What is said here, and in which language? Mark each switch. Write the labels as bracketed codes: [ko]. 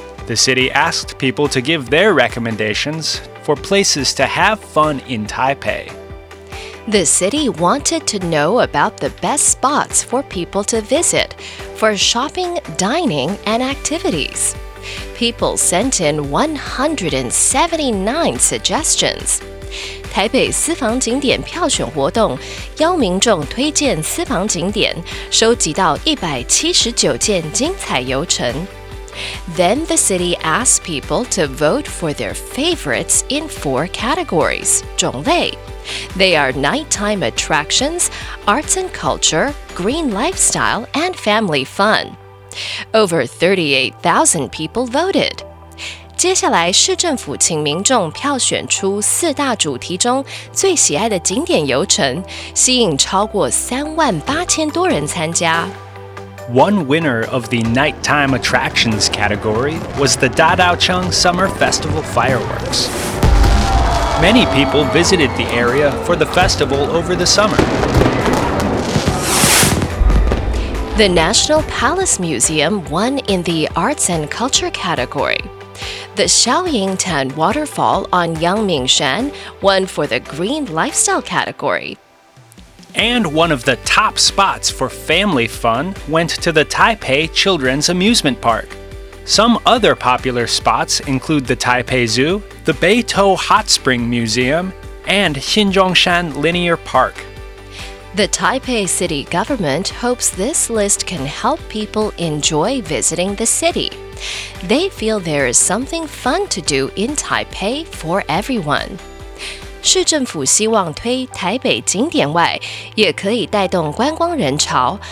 [en] The city asked people to give their recommendations. For places to have fun in Taipei. The city wanted to know about the best spots for people to visit, for shopping, dining, and activities. People sent in 179 suggestions. [zh] 台北私房景点票选活动邀民众推荐私房景点收集到179件精彩游程。 [en] Then the city asked people to vote for their favorites in four categories, 种类. They are nighttime attractions, arts and culture, green lifestyle, and family fun. Over 38,000 people voted. [zh] 接下来市政府请民众票选出四大主题中最喜爱的景点游程，吸引超过38,000多人参加。 [en] One winner of the nighttime attractions category was the Dadaocheng Summer Festival Fireworks. Many people visited the area for the festival over the summer. The National Palace Museum won in the arts and culture category. The Xiao Yintan Waterfall on Yangmingshan won for the green lifestyle category. And one of the top spots for family fun went to the Taipei Children's Amusement Park. Some other popular spots include the Taipei Zoo, the Beitou Hot Spring Museum, and Xinzhongshan Linear Park. The Taipei City Government hopes this list can help people enjoy visiting the city. They feel there is something fun to do in Taipei for everyone. [zh] 市政府希望推台北景点外，也可以带动观光人潮。